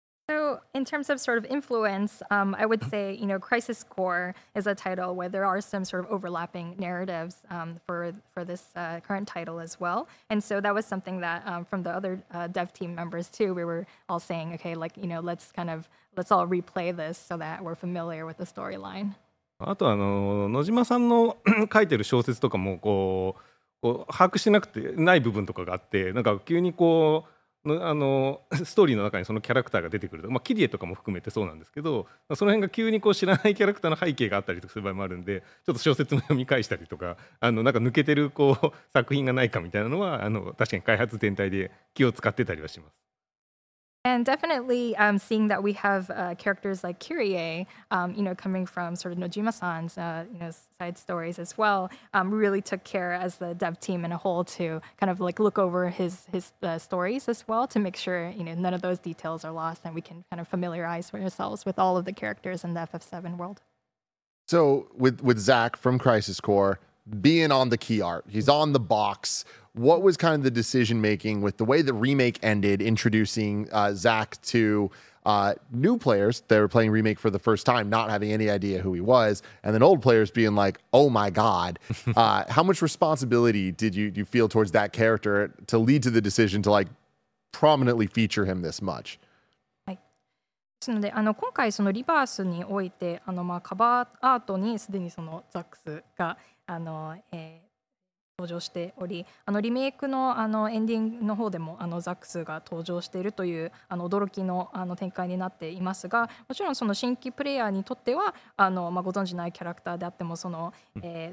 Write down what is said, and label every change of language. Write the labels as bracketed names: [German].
[English] So in terms of sort of influence, I would say, you know, Crisis Core is a title where there are some sort of overlapping narratives for this current title as well. And so that was something that from the other dev team members too, we were all saying, okay, like, you know, let's all replay this so that we're familiar with the storyline. [Japanese] あと野島さんの書いてる小説とかもこう把握してなくてない部分とかがあって、なんか急にこうストーリーの中にそのキャラクターが出てくると、まあ、キリエとかも含めてそうなんですけど、その辺が急にこう知らないキャラクターの背景があったりとかする場合もあるんで、ちょっと小説も読み返したりとか、なんか抜けてるこう作品がないかみたいなのは確かに開発全体で気を使ってたりはします。 [English] And definitely seeing that we have characters like Kirie you know, coming from sort of Nojima-san's you know, side stories as well really took care as the dev team in a whole to kind of like look over his stories as well to make sure, you know, none of those details are lost and we can kind of familiarize ourselves with all of the characters in the FF7 world. So with Zach from Crisis Core being on the key art, he's on the box. What was kind of the decision making with the way the remake ended, introducing Zach to new players that were playing Remake for the first time, not having any idea who he was, and then old players being like, oh my God. How much responsibility did you feel towards that character to lead to the decision to like prominently feature him this much? [Japanese] ですので、今回そのリバースにおいて、まあ、カバーアートにすでにそのザックスが登場しており、リメイク のエンディングの方でもザックスが登場しているという驚き の展開になっていますが、もちろんその新規プレイヤーにとってはまあ、ご存じないキャラクターであってもその、ク